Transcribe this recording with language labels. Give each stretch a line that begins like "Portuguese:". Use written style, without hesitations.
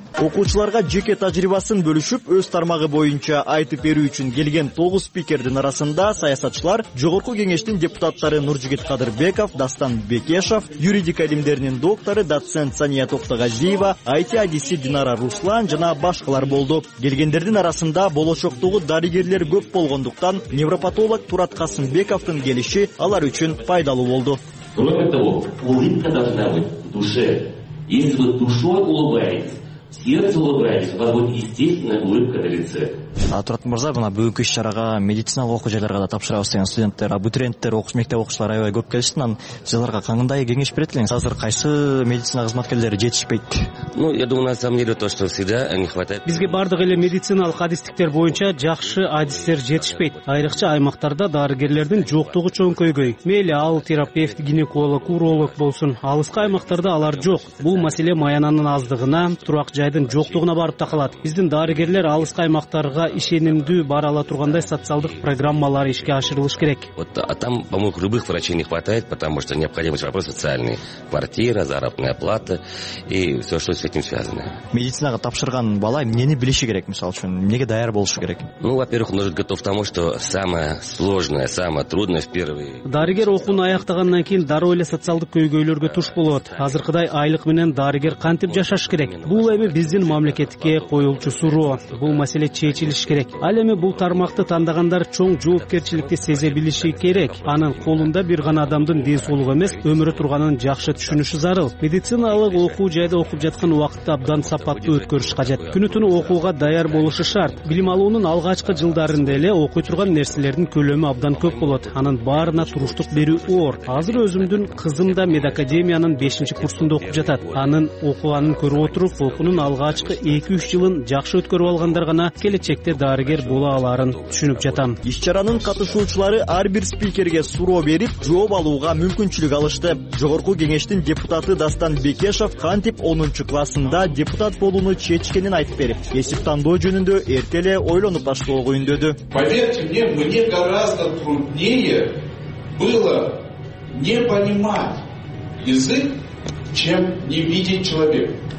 Kyrgyz: Окуучуларга жеке тажрыйбасын бөлүшүп, өз тармагы боюнча айтып берүү үчүн келген 9 спикердин арасында саясатчылар, Жогорку Кеңештин депутаттары Нуржигит Кадырбеков, Дастан Бекешев, юридика илимдеринин доктору, доцент Сания Токтогазиева, IT адиси Динара Руслан жана башкалар болду. Келгендердин арасында болочоктогу дарыгерлер көп болгондуктан, невропатолог Турат Касымбековдун келиши алар үчүн пайдалуу болду.
Russian: Кроме того, улыбка должна быть в душе. Если вы душой улыбаетесь, сердце улыбаетесь, у вас будет естественная улыбка на лице.
Kyrgyz: Турат мырза, мына бүгүнкү иш чарага медициналык окуу жайларга да тапшырабыз деген студенттер, абитуриенттер, окуш мектеп окуучулары аябай көп келишти. Анан силерге кандай кеңеш берет элеңиз? Азыр кайсы медицина кызматкерлери жетишпейт?
Russian: Ну, я думаю, на самом деле то, что всегда не хватает.
Kyrgyz: Бизге бардык эле медициналык адистиктер боюнча жакшы адистер жетишпейт. Айрыкча аймактарда дарыгерлердин жоктугу чөңкөйгөй. Мейли ал терапевт, гинеколог, уролог болсун, алыскы аймактарда алар жок. Бул маселе маянанын аздыгына, турак жай жайдын жоктугуна барып такалат. Биздин дарыгерлер алыска аймактарга ишенимдүү бара ала тургандай социалдык программалар ишке ашырылыш керек.
Russian: Вот а там, по-моему, любых врачей не хватает, потому что необходимы вопросы социальные: квартира, заработная плата и все, что с этим связано.
Kyrgyz: Медицинага тапшырган бала эмнени билиши керек, мисалы үчүн, эмнеге даяр болушу керек?
Russian: Ну, во-первых, он должен быть готов к тому, что самое сложное, самое трудное в первые.
Kyrgyz: Дарыгер окууну аяктагандан кийин дароо эле социалдык көйгөйлөргө туш болот. Азыркыдай айлык менен дарыгер кантип жашаш керек? Бул эми биздин мамлекетке коюлчу суроо. Бул маселе чечилиш керек. Ал эми бул тармакты тандагандар чоң жоопкерчиликти сезе билиши керек. Анын колунда бир гана адамдын ден соолугу эмес, өмүрү турганын жакшы түшүнүшү зарыл. Медициналык окуу жайда окуп жаткан убакытты абдан сапаттуу өткөрүш кажет. Күнү-түнү окууга даяр болушу шарт. Билим алуунун алгачкы жылдарында эле окуй турган нерселердин көлөмү абдан көп болот. Анын баарына туруштук берүү оор. Азыр өзүмдүн кызым да медакадемиянын 5-чи курсунда окуп жатат. Анын окуганын көрүп отуруп, окуунун алгачкы 2-3 жылын жакшы өткөрүп алгандар гана келечекте дарыгер боло аларын түшүнүп жатам. Иш-чаранын катышуучулары ар бир спикерге суроо берип, жооп алууга мүмкүнчүлүк алышты. Жогорку кеңештин депутаты Дастан Бекешев кантип 10-чу классында депутат болууну чечкенин айтып берип, кесип тандоо жөнүндө эрте эле ойлонуп баштоого үндөдү.
Russian: Поверьте мне, мне гораздо труднее было не понимать язык, чем не видеть человека.